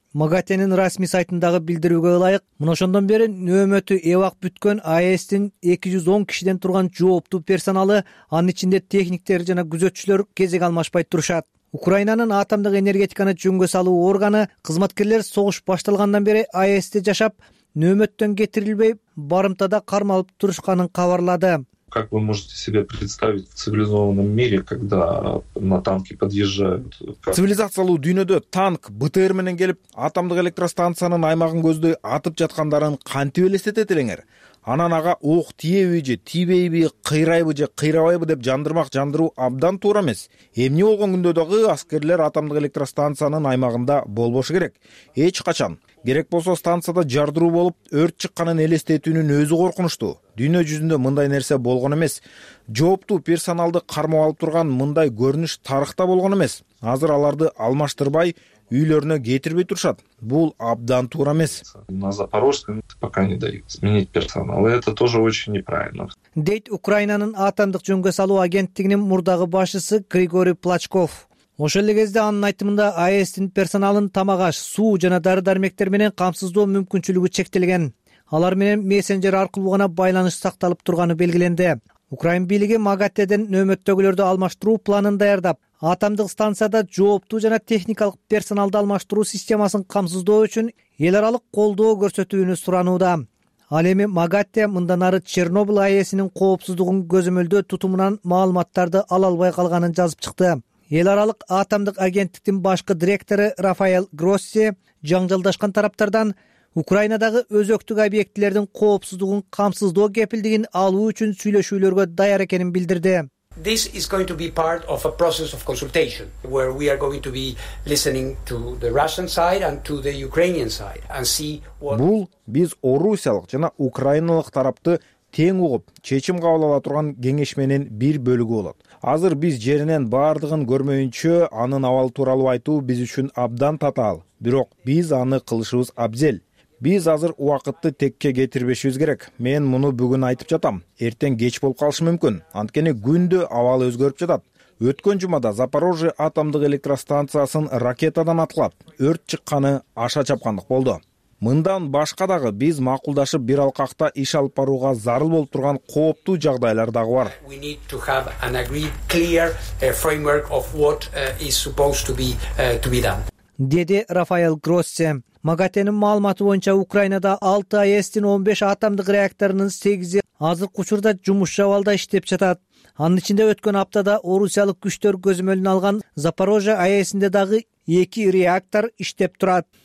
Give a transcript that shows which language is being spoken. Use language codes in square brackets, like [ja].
[ky] МАГАТЭнин расмий сайтындагы билдирүүгө ылайык, мына ошондон бери нөөмөтү эвак бүткөн АЭС-тин 210 кишиден турган жооптуу персоналы, анын ичинде техниктер жана күзөтчүлөр кезек алмашпай турушат. Украинанын атомдук энергетиканы жөнгө салуу органы кызматкерлер согуш башталгандан бери АЭС-те жашап, нөөмөттөн кетирилбей, барымтада кармалып турушканын кабарлады. [ru] Как вы можете себе представить в цивилизованном мире, когда на танке подъезжают? [ky] Цивилизациялуу дүйнөдө танк БТР менен келип, атомдук электростанциянын аймагын көздөй атып жаткандарын кантип элестетет элеңер? Анан ага ок тиеби же тийбейби, кыйрайбы же кыйрабайбы деп жандырмак жандыруу абдан туура эмес. Эмне болгон күндө дагы аскерлер атомдук электростанциянын аймагында болбошу керек. Эч качан. Керек болсо станцияда жардыруу болуп, өрт чыкканын элестетүүнүн өзү коркунучтуу. Дүйнө жүзүндө мындай нерсе болгон эмес. Жооптуу персоналды кармап алып турган мындай көрүнүш тарыхта болгон эмес. Азыр аларды алмаштырбай, үйлөрүнө кетирбей турушат. Бул абдан туура эмес. [ru] На Запорожском пока не дают сменить персонал. Это тоже очень неправильно. [ky] Дейт Украинанын атомдук жөнгө салуу агенттигинин мурдагы башчысы Григорий Плачков. Ошол эле кезде анын айтымында АЭС-тин персоналын тамак аш, суу жана дары-дармектер менен камсыздоо мүмкүнчүлүгү чектелген. Алар менен мессенджер аркылуу гана байланыш сакталып турганы белгиленди. Украин бийлиги МАГАТЭден нөөмөттөгүлөрдү алмаштыруу планын даярдап, атомдук станцияда жооптуу жана техникалык персоналды алмаштыруу системасын камсыздоо үчүн эл аралык колдоо көрсөтүүнү суранууда. Ал эми МАГАТЭ мындан ары Чернобыль АЭС-инин коопсуздугун көзөмөлдөө тутумунан маалыматтарды ала албай калганын жазып чыкты. Эл аралык атомдук агенттиктин башкы директору Рафаэль Гросси жаңжалдашкан тараптардан Украинадагы өзөктүк объектилердин коопсуздугун камсыздоо кепилдигин алуу үчүн сүйлөшүүлөргө даяр экенин билдирди. [en] This is going to be part of a process of consultation where we are going to be listening to the Russian side and to the Ukrainian side and see what [ky] Бул биз орусиялык жана украиналык тарапты тең угуп чечим кабыл ала турган кеңешменин бир бөлүгү болот. Азыр биз жеринен бардыгын көрмөйүнчө анын абал тууралуу айтуу биз үчүн абдан татаал, бирок биз аны кылышыбыз абзел. Биз азыр убакытты текке кетирбешибиз керек. Мен муну бүгүн айтып жатам. Эртең кеч болуп калышы мүмкүн. Анткени күндө абал өзгөрүп жатат. Өткөн жумада Запорожье атомдук электростанциясын ракетадан аткылап, өрт чыкканы аша чапкандык болду. Мындан башка дагы биз макулдашып бир алкакта иш алып барууга зарыл болуп турган кооптуу жагдайлар дагы бар. [en] We need to have an agreed clear framework of what is supposed to be done. [ky] Деди Рафаэль Гроссе. МАГАТЭ'нин маалыматы боюнча Украинада 6 АЭС'тин 15 атомдук реакторунун 8'и азыркы учурда жумуш абалда иштеп жатат. Анын ичинде өткөн аптада орусиялык күчтөр көзөмөлүнө алган Запорожье АЭС'инде дагы 2 реактор иштеп турат.